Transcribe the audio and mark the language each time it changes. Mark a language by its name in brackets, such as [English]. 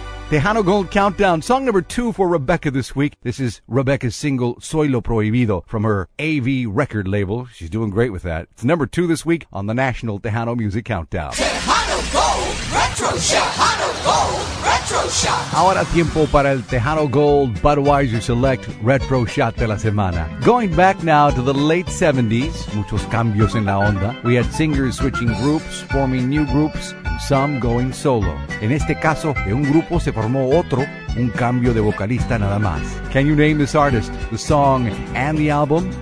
[English] Tejano Gold Countdown, song number 2 for Rebecca this week. This is Rebecca's single, Soy Lo Prohibido, from her AV record label. She's doing great with that. It's number 2 this week on the National Tejano Music Countdown. Tejano Gold Retro Shot. Tejano Gold Retro Shot. [Spanish] Ahora tiempo para el Tejano Gold Budweiser Select Retro Shot de la Semana. [English] Going back now to the late 70s, [Spanish] muchos cambios en la onda. [English] We had singers switching groups, forming new groups, some going solo. [Spanish] En este caso, de un grupo se formó otro, un cambio de vocalista nada más. [English] Can you name this artist, the song, and the album?